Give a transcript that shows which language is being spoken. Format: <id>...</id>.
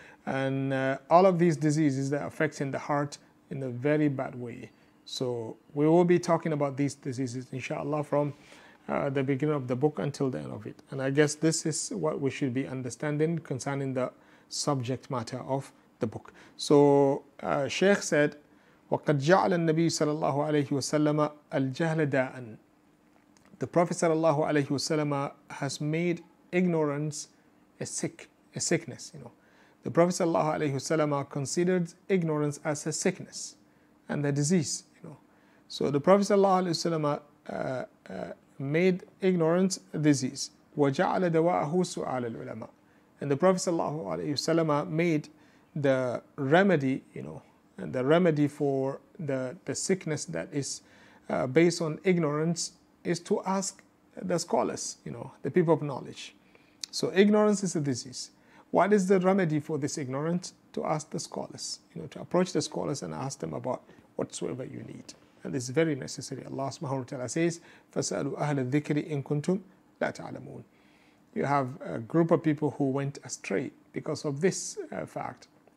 <en>And all of these diseases that are affecting the heart in a very bad way. So we will be talking about these diseases inshallah from the beginning of the book until the end of it. And I guess this is what we should be understanding concerning the subject matter of the book. So Sheikh said,</en> <ar>وَقَدْ جَعْلَ النَّبِيُّ صَلَى اللَّهُ عَلَيْهِ وَسَلَّمَ الْجَهْلَ دَاءً.</ar> <en>The Prophet صلى الله عليه وسلم has made ignorance a sickness. You know, the Prophet صلى الله عليه وسلم considered ignorance as a sickness and a disease. You know, so the Prophet صلى الله عليه وسلم made ignorance a disease.</en> <ar>وَجَعْلَ دَوَاءَهُ سُؤَالَ الْعُلَمَاءِ.</ar> <en>And the Prophet sallallahu alayhi wasallam made the remedy, you know, and the remedy for the sickness that is based on ignorance is to ask the scholars, you know, the people of knowledge. So ignorance is a disease. What is the remedy for this ignorance? To ask the scholars, you know, to approach the scholars and ask them about whatsoever you need. And this is very necessary. Allah subhanahu wa ta'ala says,</en> <ar>فَسَأَلُوا أَهْلَ الذِّكْرِ إِن كُنْتُمْ لَا تَعْلَمُونَ.</ar> <en>You have a group of people who went astray because of this fact.</en>